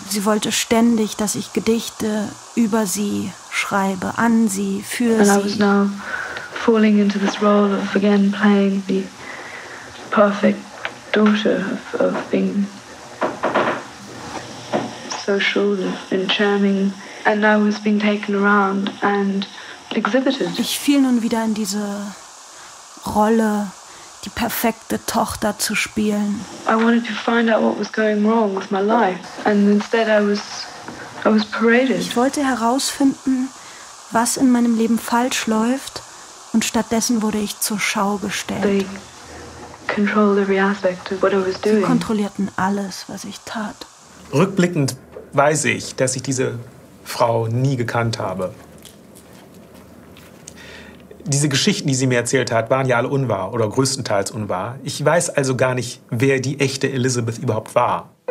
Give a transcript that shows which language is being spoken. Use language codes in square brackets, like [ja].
[de] Sie wollte ständig, dass ich Gedichte über sie schreibe, an sie, für [en] and [de] sie. [en] And I was now falling into this role of again playing the perfect daughter of being social and charming, and I was being taken around and exhibited. [de] Ich fiel nun wieder in diese Rolle, die perfekte Tochter zu spielen. [en] I wanted to find out what was going wrong with my life, and instead I was paraded. [de] Ich wollte herausfinden, was in meinem Leben falsch läuft, und stattdessen wurde ich zur Schau gestellt. [en] They controlled every aspect of what I was doing. [de] Sie kontrollierten alles, was ich tat. Rückblickend weiß ich, dass ich diese Frau nie gekannt habe. Diese Geschichten, die sie mir erzählt hat, waren ja alle unwahr oder größtenteils unwahr. Ich weiß also gar nicht, wer die echte Elizabeth überhaupt war.